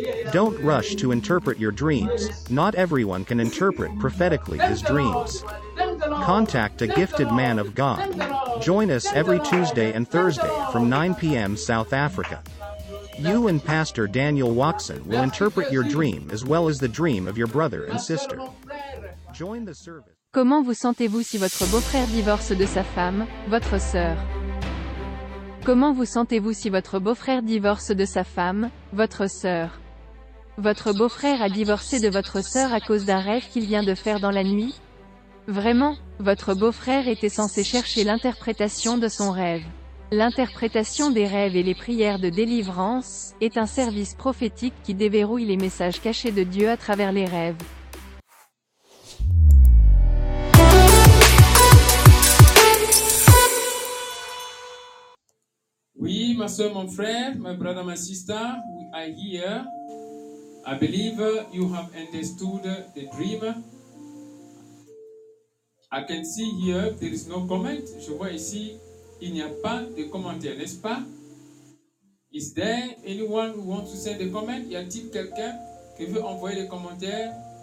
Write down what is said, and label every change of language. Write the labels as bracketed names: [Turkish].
[English] Don't rush to interpret your dreams. Not everyone can interpret prophetically his dreams. Contact a gifted man of God. Join us every Tuesday and Thursday from 9 p.m. South Africa. You and Pastor Daniel Watson will interpret your dream as well as the dream of your brother and sister. Join the service. [French] Comment vous sentez-vous si votre beau-frère divorce de sa femme, votre sœur? Comment vous sentez-vous si votre beau-frère divorce de sa femme, votre sœur? Votre beau-frère a divorcé de votre sœur à cause d'un rêve qu'il vient de faire dans la nuit? Vraiment, votre beau-frère était censé chercher l'interprétation de son rêve. L'interprétation des rêves et les prières de délivrance est un service prophétique qui déverrouille les messages cachés de Dieu à travers les rêves. Oui, ma soeur, mon frère, [English] my brother, my sister, we are here. I believe you have understood the dream. I can see here there is no comment. [French] Je vois ici, il n'y a pas de commentaire, n'est-ce pas? [English] Is there anyone who wants to send a comment? [French] Y a-t-il quelqu'un qui veut envoyer des commentaires?